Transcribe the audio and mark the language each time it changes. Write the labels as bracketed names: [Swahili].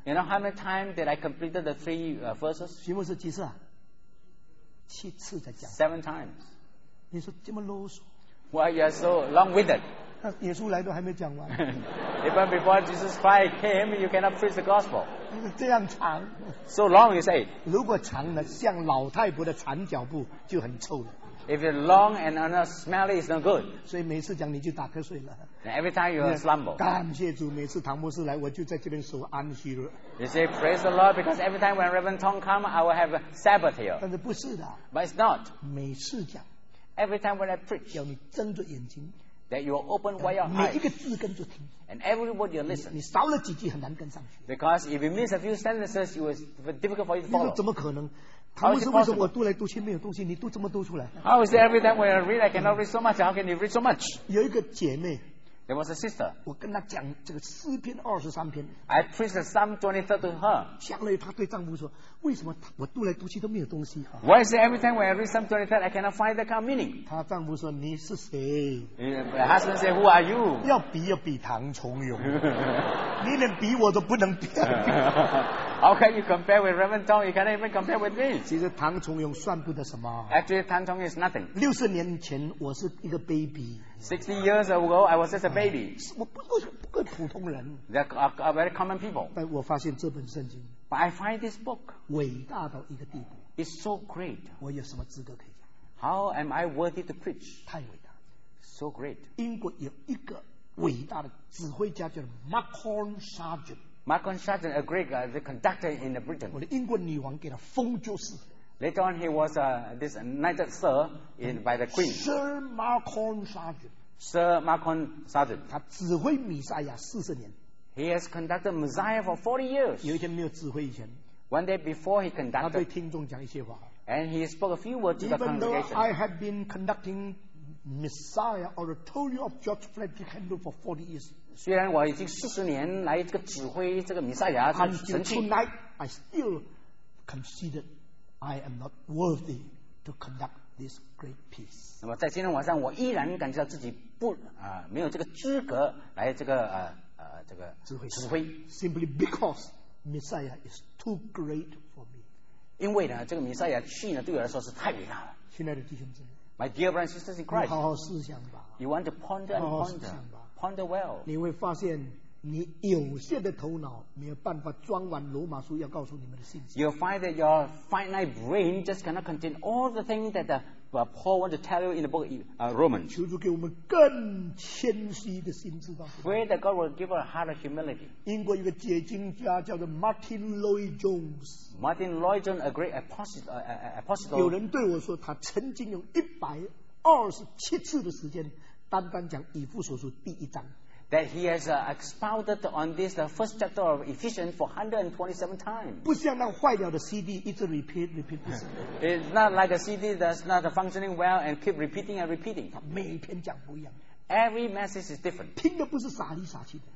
[English] You know how many times did I complete the 3 verses? [Chinese] 徐牧师几次啊? 7次才讲。 [English] 7 times. [Chinese] 你说这么啰嗦? [English] Why you are so long-winded? [Chinese] 耶稣来都还没讲完。 [English] Even before Jesus Christ came, you cannot preach the gospel. [Chinese] 这样长。 [English] So long, you say. [Chinese] 如果长了，像老太婆的长脚步就很臭了。 [English] If it's long and not smelly, it's not good. [Chinese] 所以每次讲你就打瞌睡了。 [English] And every time you slumber. [Chinese] 感谢主，每次唐牧师来，我就在这边守安息日。 [English] You say praise the Lord because every time when Reverend Tong comes, I will have a Sabbath here. [Chinese] 但是不是的。 [English] But it's not. [Chinese] 每次讲。 [English] Every time when I preach. [Chinese] 要你睁着眼睛。 [English] That you open wide your eyes. [Chinese] 每一个字跟着听。 [English] And every word you listen. [Chinese] 你少了几句很难跟上去。 [English] Because if you miss a few sentences, it was difficult for you to follow. [Chinese] 怎么可能？唐牧师为什么我读来读去没有东西，你读这么多出来 [English] ？How is it every time when I read I cannot read so much? How can you read so much? [Chinese] 有一个姐妹 [English] ，There was a sister. [Chinese] 我跟她讲这个诗篇二十三篇 [English] ，I preached Psalm 23 to her. [Chinese] 下来她对丈夫说，为什么我读来读去都没有东西 [English] ？Why is it every time when I read Psalm 23 I cannot find that kind of meaning? [Chinese] 她丈夫说你是谁 [English] ？Her husband said Who are you? [Chinese] 要比要比唐崇荣，你连比我都不能比。 [English] How can you compare with Reverend Tong? You cannot even compare with me. [Chinese] 其实唐崇荣算不得什么。 [English] Actually, Tan Chong is nothing. [Chinese] 60年前我是一个 baby. [English] 60 years ago, I was just a baby. [Chinese] 我不是普通人。 [English] They are very common people. [Chinese] 但我发现这本圣经。 [English] But I find this book. [Chinese] 伟大到一个地步。 [English] It's so great. [Chinese] 我有什么资格可以讲 [English] ？How am I worthy to preach? [Chinese] 太伟大。 [English] So great. [Chinese] 英国有一个伟大的指挥家叫 Macon Sargent。 [English] Macon Sargent, a Greek, the conductor in Britain. [Chinese] 我的英国女王给他封爵士。 [English] Later on, he was this knighted sir in, by the Queen. [Chinese] Sir Macon Sargent. [English] Sir Macon Sargent. [Chinese] 他指挥弥赛亚四十年。 [English] He has conducted Messiah for 40 years. [Chinese] 有一天没有指挥以前。 [English] One day before he conducted. [Chinese] 他对听众讲一些话。 [English] And he spoke a few words to the congregation. Even though I have been conducting Messiah Oratorio of George Frederick Handel for 40 years. [Chinese] 虽然我已经四十年来这个指挥这个弥赛亚神器。 [English] Until tonight, I still consider I am not worthy to conduct this great piece. [Chinese] 那么在今天晚上，我依然感觉到自己不啊、没有这个资格来这个这个指挥。 [English] Simply because Messiah is too great for me. [Chinese] 因为呢，这个弥赛亚去呢，对我来说是太伟大了。亲爱的弟兄姊妹。 [English] My dear brothers and sisters in Christ, [Chinese] 好好思想吧。 [English] You want to ponder and ponder, [Chinese] 好好思想吧。 [English] Ponder well. [Chinese] 你会发现，你有限的头脑没有办法装完罗马书要告诉你们的信息。 [English] You'll find that your finite brain just cannot contain all the things that Paul wants to tell you in the book Romans. [Chinese] 求主给我们更谦虚的心智吧。 [English] Pray that God will give us a heart of humility. [Chinese] 英国一个解经家叫做 Martin Lloyd Jones. [English] Martin Lloyd Jones, a great apostle. [Chinese] 有人对我说，他曾经用127次的时间，单单讲以弗所书第一章。 [English] That he has expounded on this the first chapter of Ephesians for 127 times. [Chinese] 不像那坏掉的 CD 一直 repeat 不是。 [English] It's not like a CD that's not functioning well and keep repeating and repeating. [Chinese] 他每天讲不一样。 [English] Every message is different. [Chinese] 听的不是傻里傻气的。